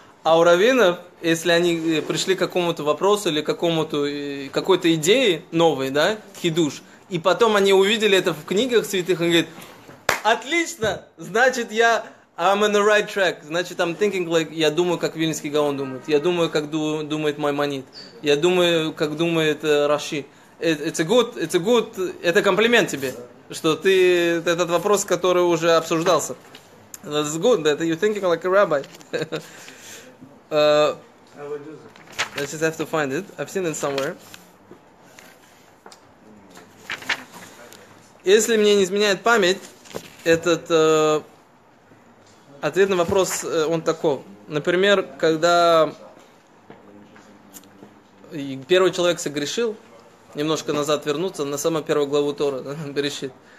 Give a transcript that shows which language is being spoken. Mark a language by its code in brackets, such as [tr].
[ru] А у раввинов, если они пришли к какому-то вопросу или какой-то идее новой, да, хидуш, и потом они увидели это в книгах святых, они говорят, отлично, значит, я, [en] I'm on the right track, [ru] значит, [en] I'm thinking like, [ru] я думаю, как Вильнский Гаон думает, я думаю, как думает Маймонид, я думаю, как думает Раши. [en] It's a good, [ru] это комплимент тебе, что ты, этот вопрос, который уже обсуждался. [en] That's good, that you're thinking like a rabbi. Let's just have to find it. I've seen it somewhere. [ru] Если мне не изменяет память, этот ответ на вопрос, он таков. Например, когда первый человек согрешил, немножко назад вернуться, на самую первую главу Тора, Берешит.